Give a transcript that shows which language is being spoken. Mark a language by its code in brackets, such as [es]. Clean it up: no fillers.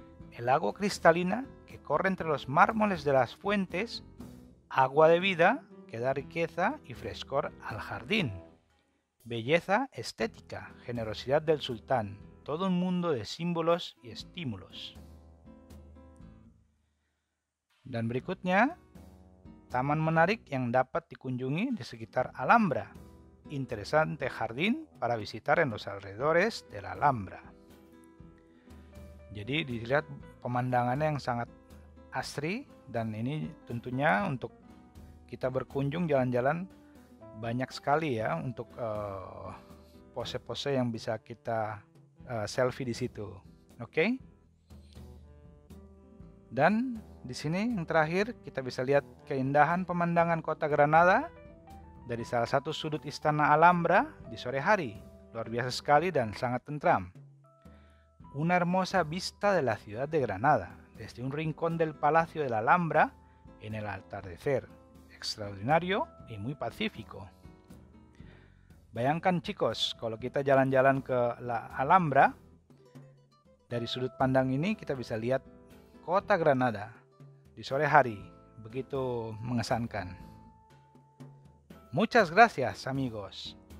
[es] El agua cristalina que corre entre los mármoles de las fuentes, agua de vida que da riqueza y frescor al jardín. Belleza estética, generosidad del sultán, todo un mundo de símbolos y estímulos. [id] Dan berikutnya, taman menarik yang dapat dikunjungi di sekitar Alhambra. [es] Interesante jardín para visitar en los alrededores de la Alhambra. [id] Jadi dilihat pemandangannya yang sangat asri dan ini tentunya untuk kita berkunjung jalan-jalan banyak sekali ya untuk pose-pose yang bisa kita selfie di situ. Oke? Dan di sini yang terakhir kita bisa lihat keindahan pemandangan kota Granada dari salah satu sudut istana Alhambra di sore hari. luar biasa sekali dan sangat tentram. [es] Una hermosa vista de la ciudad de Granada, desde un rincón del Palacio de la Alhambra, en el atardecer. Extraordinario y muy pacífico. [id] Bayangkan chicos, kalau kita jalan-jalan ke la Alhambra, dari sudut pandang ini kita bisa lihat kota Granada di sore hari. Begitu mengesankan. [es] Muchas gracias, amigos.